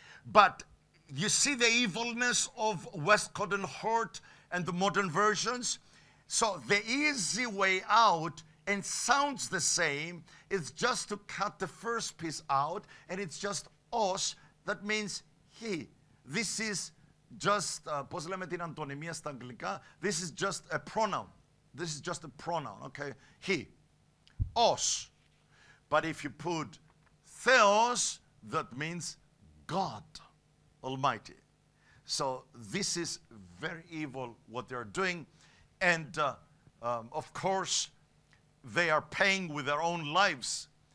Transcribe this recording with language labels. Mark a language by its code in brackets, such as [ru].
[en] But you see the evilness of Westcott and Hort and the modern versions? So the easy way out, and sounds the same, is just to cut the first piece out, and it's just os, that means he. This is just, [el] πώς λέμε την αντωνυμία στα αγγλικά, [en] this is just a pronoun. This is just a pronoun, okay? He, os. But if you put Theos, that means God Almighty. So this is very evil what they are doing. And of course, they are paying with their own lives.